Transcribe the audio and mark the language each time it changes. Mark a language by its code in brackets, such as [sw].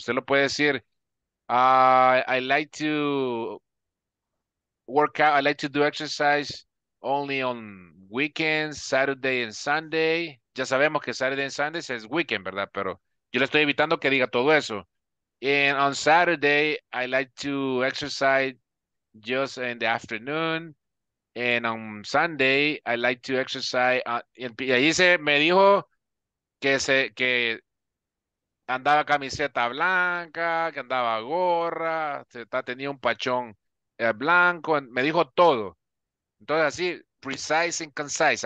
[es] Usted lo puede decir, [en] I like to work out, I like to do exercise only on weekends, Saturday and Sunday. [es] Ya sabemos que [en] Saturday and Sunday [es] es weekend, ¿verdad? Pero yo le estoy evitando que diga todo eso. [en] And on Saturday, I like to exercise just in the afternoon. And on Sunday, I like to exercise. [es] Y ahí me dijo que andaba camiseta blanca, que andaba gorra, tenía un pachón blanco. Me dijo todo. Entonces, así, [en] precise and concise.